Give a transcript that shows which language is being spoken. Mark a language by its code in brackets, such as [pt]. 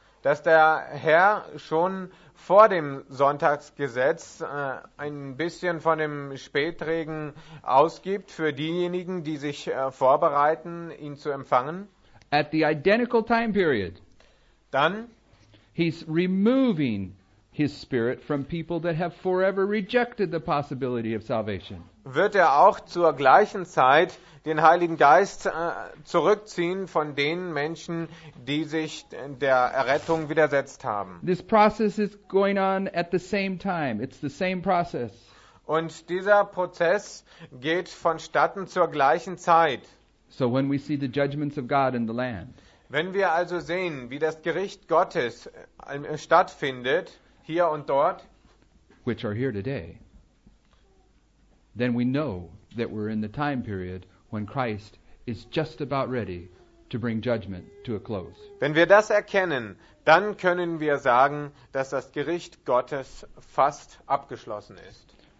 [de] dass der Herr schon vor dem Sonntagsgesetz ein bisschen von dem Spätregen ausgibt für diejenigen, die sich vorbereiten, ihn zu empfangen. [en] At the identical time period, [de] dann [en] he's removing his spirit from people that have forever rejected the possibility of salvation. [de] Wird er auch zur gleichen Zeit den Heiligen Geist zurückziehen von den Menschen, die sich der Errettung widersetzt haben. [en] This process is going on at the same time. It's the same process. [de] Und dieser Prozess geht vonstatten zur gleichen Zeit. [en] So when we see the judgments of God in the land, [de] wenn wir also sehen, wie das Gericht Gottes stattfindet, hier und dort, [en] which are here today, then we know that we're in the time period when Christ is just about ready to bring judgment to a close. [de] Wenn wir das erkennen, dann können wir sagen, dass das Gericht Gottes fast abgeschlossen ist.